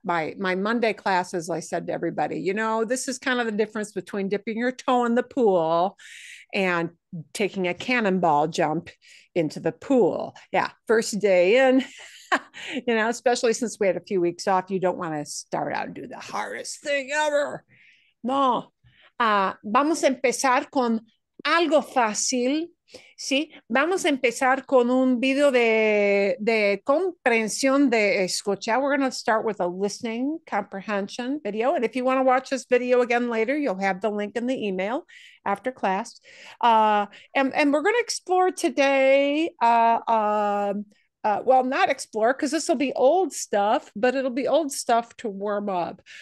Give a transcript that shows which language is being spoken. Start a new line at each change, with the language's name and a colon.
English: My Monday class, as I said to everybody, you know, this is kind of the difference between dipping your toe in the pool and taking a cannonball jump into the pool. Yeah, first day in, you know, especially since we had a few weeks off, you don't want to start out and do the hardest thing ever.
Spanish: No. Vamos a empezar con algo fácil. Sí, vamos a empezar con un video de comprensión de escucha.
English: We're going to start with a listening comprehension video. And if you want to watch this video again later, you'll have the link in the email after class. And we're going to explore today. Well, not explore, because this will be old stuff, but it'll be old stuff to warm up.